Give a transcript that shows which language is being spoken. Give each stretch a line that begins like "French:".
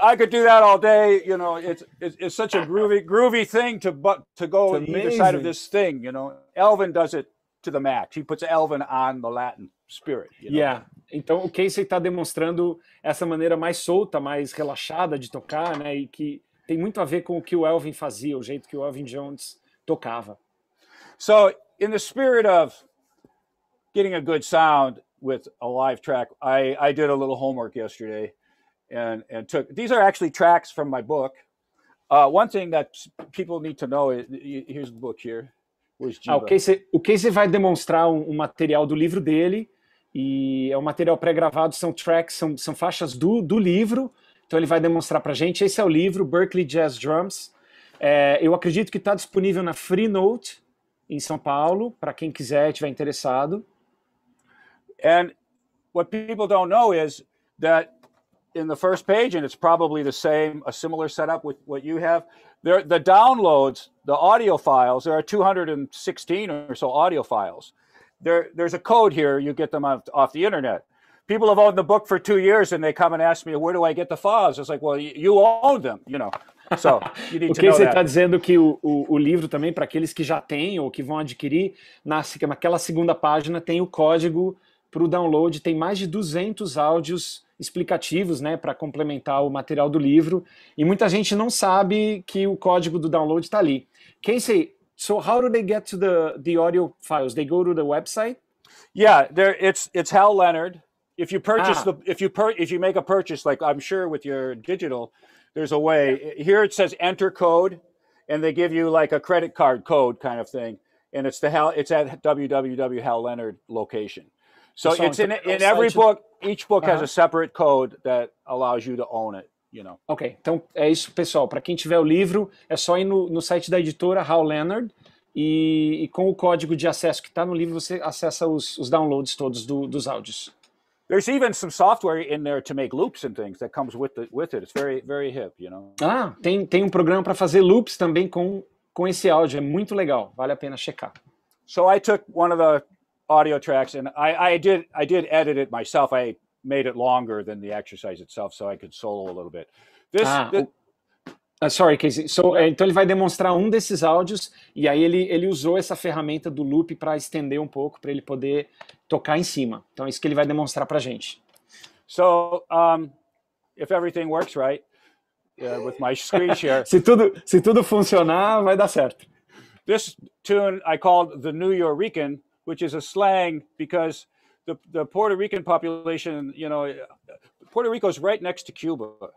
English: I could do that all day, you know. It's such a groovy thing to go either side of this thing, you know. Elvin does it to the max. He puts Elvin on the Latin spirit, you know. Yeah.
Portuguese: Então o Casey está demonstrando essa maneira mais solta, mais relaxada de tocar, né, e que tem muito a ver com o que o Elvin fazia, o jeito que o Elvin Jones tocava.
English: So, in the spirit of getting a good sound with a live track, I did a little homework yesterday and took, these are actually tracks from my book. One thing that people need to know is, here's the book here. Where's Giba?
Portuguese: O Casey vai demonstrar um material do livro dele, e é um material pré-gravado, são tracks, são faixas do livro, então ele vai demonstrar pra gente. Esse é o livro, Berkeley Jazz Drums. É, eu acredito que está disponível na Free Note em São Paulo, para quem quiser, tiver interessado.
English: And what people don't know is that in the first page, and it's probably the same, a similar setup with what you have, there, the downloads, the audio files, there are 216 or so audio files. There's a code here. You get them off the internet. People have owned the book for 2 years, and they come and ask me, where do I get the files? It's like, well, you own them, you know. So you need to know that. Você está dizendo que o livro também, para aqueles que já têm ou que vão adquirir, naquela segunda página tem o código para o download, tem mais de 200 áudios explicativos, né, para complementar o material do livro, e muita gente não sabe que o código do download está ali. Casey, so how do they get to the audio files? They go to the website? Yeah, it's Hal Leonard, If you purchase if you make a purchase, like I'm sure with your digital, there's a way. Yeah. Here it says enter code, and they give you like a credit card code kind of thing, and it's the Hal. It's at www Hal Leonard location. So it's in every book. Each book has a separate code that allows you to own it. You know.
Portuguese: Okay, então é isso, pessoal. Para quem tiver o livro, é só ir no site da editora Hal Leonard. E com o código de acesso que está no livro, você acessa os downloads todos dos áudios.
English: There's even some software in there to make loops and things that comes with it. It's very, very hip, you know?
Portuguese: Ah, tem um programa para fazer loops também com esse áudio. É muito legal. Vale a pena checar.
English: So I took one of the audio tracks and I did edit it myself. I made it longer than the exercise itself so I could solo a little bit. Sorry, Casey.
Portuguese: Então ele vai demonstrar um desses áudios e aí ele usou essa ferramenta do loop para estender um pouco para ele poder tocar em cima. Então é isso que ele vai demonstrar para a gente.
English: So, if everything works right, with my screen share.
Portuguese: se tudo funcionar, vai dar certo.
English: This tune I called the New Yorican, which is a slang because the Puerto Rican population, you know, Puerto Rico is right next to Cuba.